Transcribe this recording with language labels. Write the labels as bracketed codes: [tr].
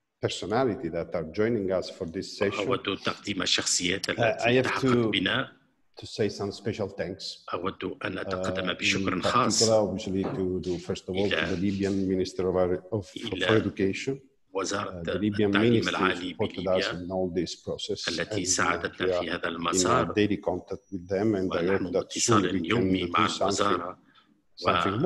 [en] personality that are joining us for this session. [ar] أود تقديم الشخصيات التي تحقق بنا. [en] To say some special thanks. [ar] أود أن أتقدم بشكر خاص. [en] Obviously, to do first of all to the Libyan Minister of for Education. [ar] وزارة التعليم العالي بليبيا التي ساعدتنا في هذا المسار. [en] Daily contact with them and I hope that soon we can do something.